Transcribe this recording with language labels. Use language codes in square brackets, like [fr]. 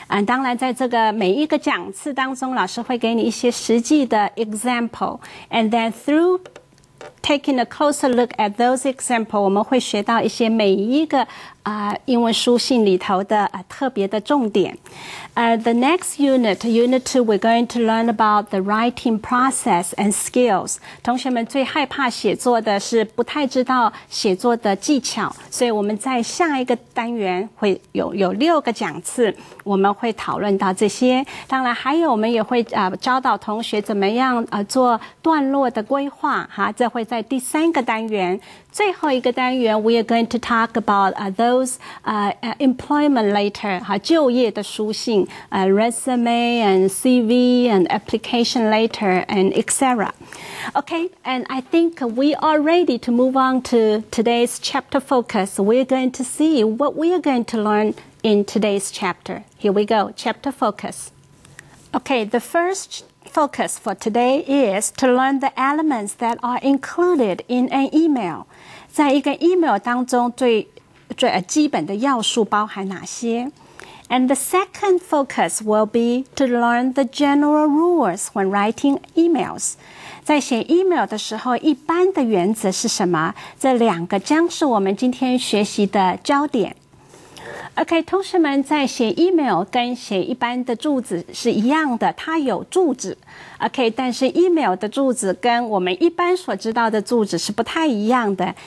[zh] 当然在这个每一个讲次当中，老师会给你一些实际的 example, [en] and then through taking a closer look at those examples, [zh] 我们会学到一些每一个英文书信里头的特别的重点。 [en] The next unit, unit two, we're going to learn about the writing process and skills. [zh] 同学们最害怕写作的是不太知道写作的技巧，所以我们在下一个单元会有六个讲次，我们会讨论到这些。当然还有我们也会教导同学怎么样做段落的规划，这会在第三个单元。最后一个单元 [en] we are going to talk about employment letter, [zh] 就业的书信 [en] resume and CV and application letter and etc. Okay, and I think we are ready to move on to today's chapter focus. We're going to see what we are going to learn in today's chapter. Here we go, chapter focus. Okay, the firstfocus for today is to learn the elements that are included in an email. [zh] 在一个 email 当中最基本的要素包含哪些？ [en] And the second focus will be to learn the general rules when writing emails. [zh] 在写 email 的时候一般的原则是什么？这两个将是我们今天学习的焦点。 OK, 同学们在写 email 跟写一般的注子是一样的，它有注子。 OK, 但是 email 的注子跟我们一般所知道的注子是不太一样的。